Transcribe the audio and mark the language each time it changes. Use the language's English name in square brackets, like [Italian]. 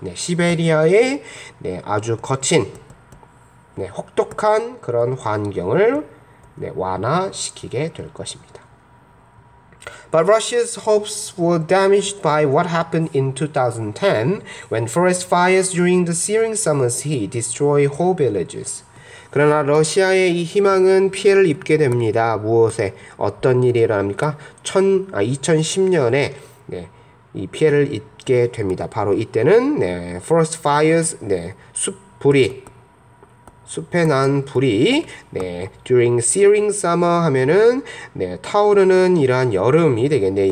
[Korean] 시베리아의 아주 거친 혹독한 그런 환경을 완화시키게 될 것입니다. [English] But Russia's hopes were damaged by what happened in 2010 when forest fires during the searing summer's heat destroyed whole villages. [Korean] 그러나 러시아의 이 희망은 피해를 입게 됩니다. 무엇에? 어떤 일이 일어납니까? 2010년에 네, 이 피해를 입게 됩니다. 바로 이때는 네, forest fires, 네, 숲불이 숲에 난 불이 네, [English] during searing summer [Korean] 하면은 네, 타오르는 이러한 여름이 되겠네.